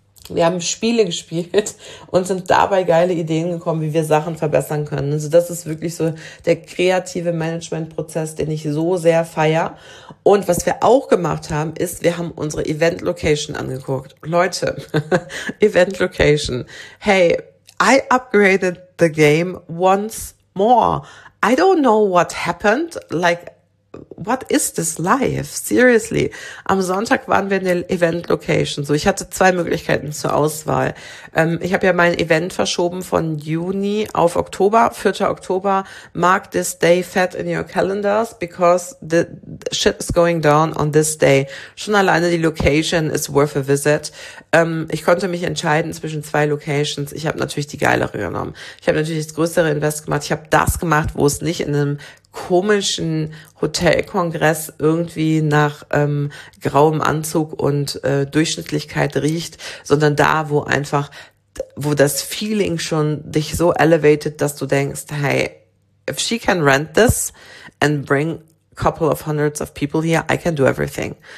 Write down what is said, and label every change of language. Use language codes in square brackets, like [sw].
[de] Wir haben Spiele gespielt und sind dabei geile Ideen gekommen, wie wir Sachen verbessern können. Also das ist wirklich so der kreative Managementprozess, den ich so sehr feier. Und was wir auch gemacht haben, ist, wir haben unsere Event Location angeguckt. Leute, Event Location. [en] Hey, I upgraded the game once more. I don't know what happened. Like, what is this life? Seriously. [de] Am Sonntag waren wir in der Event-Location. So, ich hatte zwei Möglichkeiten zur Auswahl. Ich habe ja mein Event verschoben von Juni auf Oktober, 4. Oktober. [en] Mark this day fat in your calendars because the shit is going down on this day. [de] Schon alleine die Location [en] is worth a visit. [de] Ich konnte mich entscheiden zwischen zwei Locations. Ich habe natürlich die geilere genommen. Ich habe natürlich das größere Invest gemacht. Ich habe das gemacht, wo es nicht in einem komischen Hotelkongress irgendwie nach grauem Anzug und Durchschnittlichkeit riecht, sondern da, wo einfach, wo das Feeling schon dich so elevated, dass du denkst, hey, [en] if she can rent this and bring couple of hundreds of people here, I can do everything.